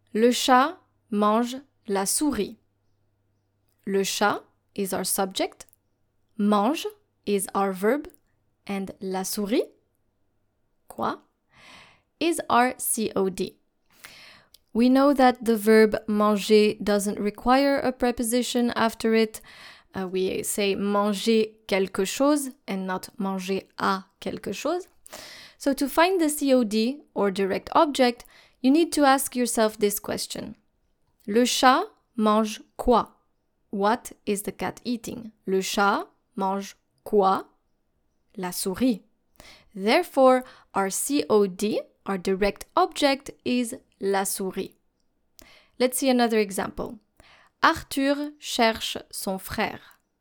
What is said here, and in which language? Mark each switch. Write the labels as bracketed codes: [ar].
[fr] Le chat mange la souris. [en] Le chat is our subject, mange is our verb, and la souris, quoi, is our COD. We know that the verb manger doesn't require a preposition after it. We say [fr] manger quelque chose [en] and not [fr] manger à quelque chose. [en] So to find the COD or direct object, you need to ask yourself this question. [fr] Le chat mange quoi? [en] What is the cat eating? [fr] Le chat mange quoi? La souris. [en] Therefore, our COD, our direct object, is la souris. Let's see another example. [fr] Arthur cherche son frère.